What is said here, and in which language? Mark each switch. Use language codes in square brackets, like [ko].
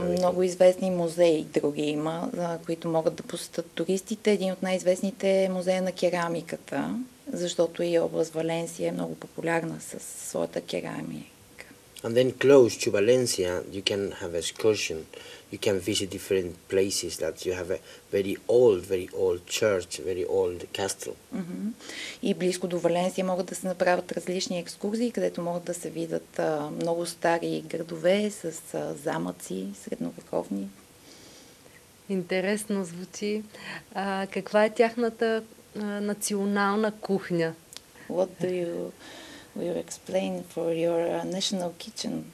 [bg] Много известни музеи други има, които могат да посетят туристите. Един от най-известните е музея на керамиката, защото и област Валенсия е много популярна със своята керамика. [en] And then close to Valencia, you can have excursion. You can visit different places that you have a very old church, very old castle. Mm-hmm. [bg] И близко до Валенсия могат да се направят различни екскурзии, където могат да се видят много стари градове с замъци средновековни. Интересно звучи. Каква е тяхната национална кухня? [en] What do you will explain for your national kitchen?